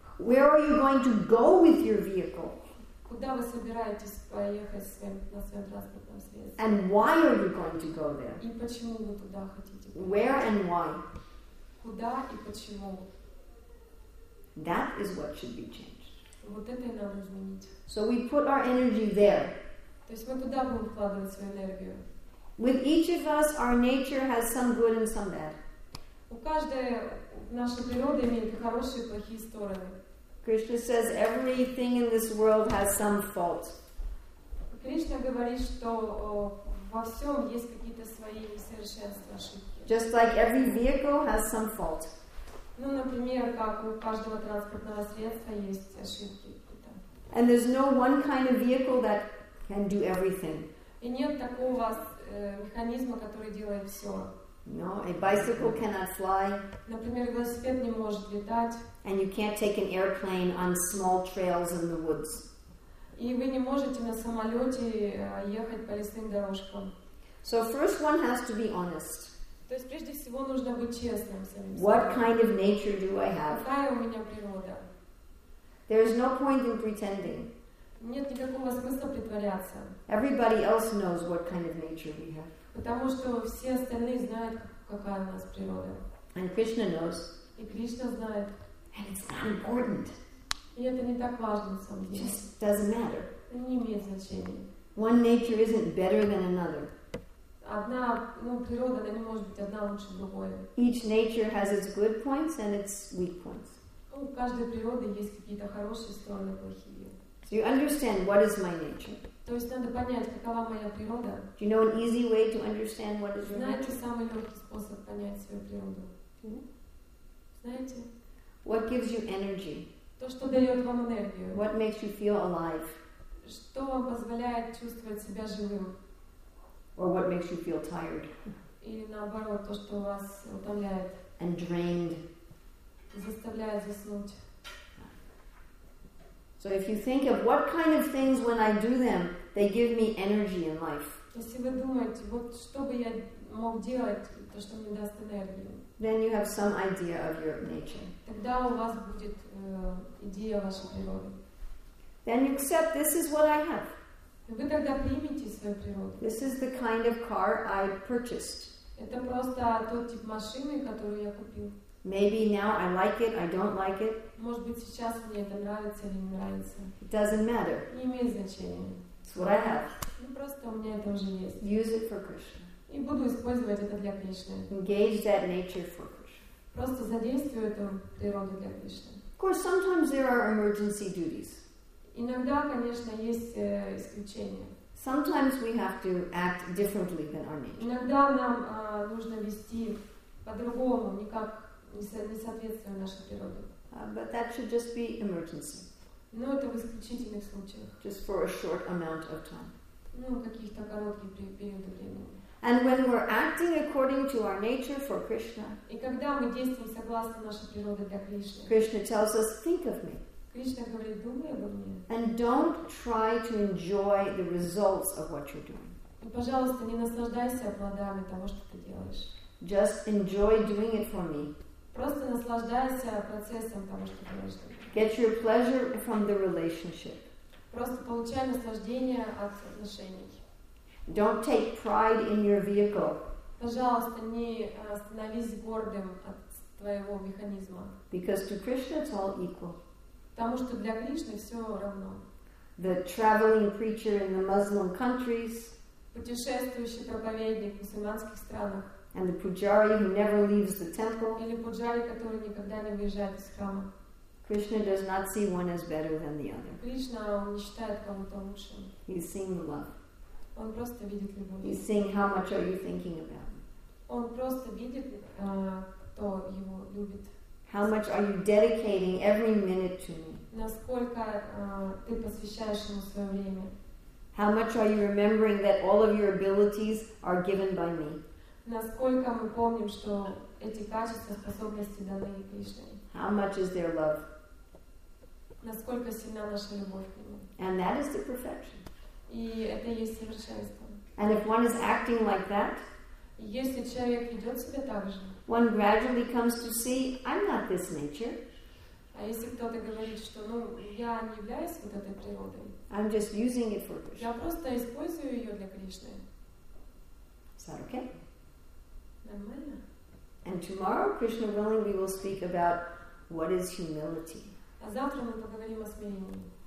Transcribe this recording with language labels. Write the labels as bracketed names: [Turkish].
[English] Where are you going to go with your vehicle? [Russian] Куда вы собираетесь поехать на своем транспортном средстве? [English] And why are you going to go there? [Russian] И почему вы туда хотите? [English] Where and why? [Russian] Куда и почему? [English] That is what should be changed. [Russian] Вот это и надо изменить. [English] So we put our energy there. [Russian] То есть мы туда будем вкладывать свою энергию. [English] With each of us, our nature has some good and some bad. [Russian] У каждой наша природа имеет хорошие и плохие стороны. [English] Krishna says everything in this world has some fault. [Russian] Кришна говорит, что во всем есть какие-то свои несовершенства, ошибки. [English] Just like every vehicle has some fault. [Russian] Ну, например, как у каждого транспортного средства есть ошибки. [English] And there's no one kind of vehicle that can do everything. [Russian] И нет такого механизма, который делает все. [English] No, a bicycle cannot fly. [Russian] Например, велосипед не может летать. [English] And you can't take an airplane on small trails in the woods. [Russian] И вы не можете на самолете ехать по лесным дорожкам. [English] So first one has to be honest. [Russian] То есть прежде всего нужно быть честным самим собой. [English] What kind of nature do I have? [Russian] Какая у меня природа? [English] There is no point in pretending. [Russian] Нет никакого смысла притворяться. [English] Everybody else knows what kind of nature we have. [Russian] Потому что все остальные знают, какая у нас природа. [English] And Krishna knows. [Russian] И Кришна знает. [English] And it's not important. [Russian] И это не так важно, на самом деле. [English] It just doesn't matter. [Russian] Не имеет значения. [English] One nature isn't better than another. [Russian] Одна, ну, природа, она не может быть одна лучше другой. [English] Each nature has its good points and its weak points. [Russian] Ну, у каждой природы есть какие-то хорошие стороны, плохие. [English] So you understand what is my nature? [Russian] То есть надо понять, какова моя природа. [English] Do you know an easy way to understand what is your nature? [Russian] Знаете самый легкий способ понять свою природу? Знаете? [English] What gives you energy? [Russian] То, что дает вам энергию. [English] What makes you feel alive? [Russian] Что вам позволяет чувствовать себя живым? [English] Or what makes you feel tired? [Russian] Или наоборот, то, что вас утомляет. [English] And drained. [Russian] Заставляет заснуть. [English] So if you think of what kind of things when I do them, they give me energy in life. [Russian] Если вы думаете, вот что бы я мог делать, то что мне даст энергию. [English] Then you have some idea of your nature. [Russian] Тогда у вас будет идея вашей природы. [English] Then you accept this is what I have. [Russian] Вы тогда примете свою природу. [English] This is the kind of car I purchased. [Russian] Это просто тот тип машины, которую я купил. [English] Maybe now I like it, I don't like it. [Russian] Может быть, сейчас мне это нравится или не нравится. [English] It doesn't matter. [Russian] Не имеет значения. [English] It's what I have. [Russian] Ну, просто у меня это уже есть. [English] Use it for Krishna. [Russian] И буду использовать это для Кришны. [English] Engage that nature for Krishna. [Russian] Просто задействую эту природу для Кришны. [English] Of course, sometimes there are emergency duties. [Russian] Иногда, конечно, есть исключения. [English] Sometimes we have to act differently than our nature. [Russian] Иногда нам нужно вести по-другому, не как не соответствует нашей природе. [English] But that should just be emergency. [Russian] Но это в исключительных случаях. [English] Just for a short amount of time. [Russian] Ну, каких-то коротких периодов времени. [English] And when we're acting according to our nature for Krishna. [Russian] И когда мы действуем согласно нашей природе для Кришны. [English] Krishna tells us, think of me. [Russian] Кришна говорит, думай обо мне. [English] And don't try to enjoy the results of what you're doing. [Russian] И, пожалуйста, не наслаждайся плодами того, что ты делаешь. [English] Just enjoy doing it for me. [Russian] Просто наслаждайся процессом того, что ты делаешь. [English] Get your pleasure from the relationship. [Russian] Просто получай наслаждение от отношений. [English] Don't take pride in your vehicle. [Russian] Пожалуйста, не становись гордым от твоего механизма. [English] Because to Krishna it's all equal. [Russian] Потому что для Кришны все равно. [English] The traveling preacher in the Muslim countries. [Russian] Путешествующий проповедник в мусульманских странах. [English] And the pujari who never leaves the temple. [Russian] Или пуджари, который никогда не выезжает из храма. [English] Krishna does not see one as better than the other. [Russian] Кришна не считает кого-то лучше. [English] He's seeing the love. [Russian] Он просто видит любовь. [English] He's seeing how much are you thinking about me. [Russian] Он просто видит, кто его любит. [English] How much are you dedicating every minute to me? [Russian] Насколько ты посвящаешь ему свое время? [English] How much are you remembering that all of your abilities are given by me? [Russian] Насколько мы помним, что эти качества, способности даны Кришне? [English] How much is their love? [Russian] Насколько сильна наша любовь к нему? [English] And that is the perfection. [Russian] И это и есть совершенство. [English] And if one is acting like that, [Russian] если человек ведет себя так же, [English] one gradually comes to see, I'm not this nature. [Russian] А если кто-то говорит, что, ну, я не являюсь вот этой природой. [English] I'm just using it for Krishna. [Russian] Я просто использую ее для Кришны. [English] Is that okay? [Russian] Нормально. [English] And tomorrow, Krishna willing, we will speak about what is humility. [Russian] А завтра мы поговорим о смирении.